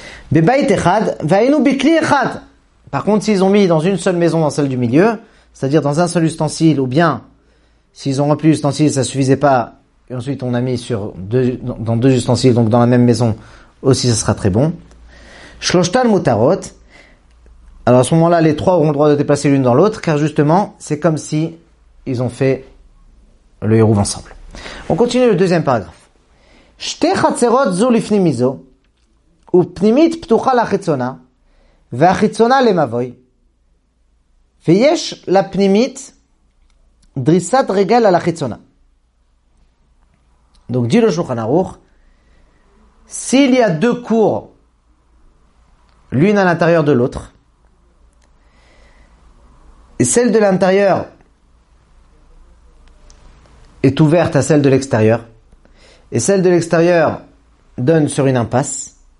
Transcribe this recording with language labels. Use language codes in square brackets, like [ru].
[he] Bebayit echad va'inu bikli echad. [fr] Par contre, s'ils ont mis dans une seule maison, dans celle du milieu, c'est-à-dire dans un seul ustensile, ou bien s'ils ont rempli l'ustensile, ça suffisait pas, et ensuite on a mis dans deux ustensiles, donc dans la même maison, aussi ça sera très bon. [he] Shloshtan mutarot. [fr] Alors à ce moment-là, les trois auront le droit de déplacer l'une dans l'autre, car justement, c'est comme si ils ont fait le hérouv ensemble. On continue le deuxième paragraphe. [he] שתי חצרות זו לפני מיזו, ופנימית פתוחה לחיצונה, והחיצונה למבוי, ויש לפנימית דריסת רגל על החיצונה. [fr] Donc, dit le Shulchan Aruch, s'il y a deux cours, l'une à l'intérieur de l'autre, et celle de l'intérieur est ouverte à celle de l'extérieur, et celle de l'extérieur donne sur une impasse.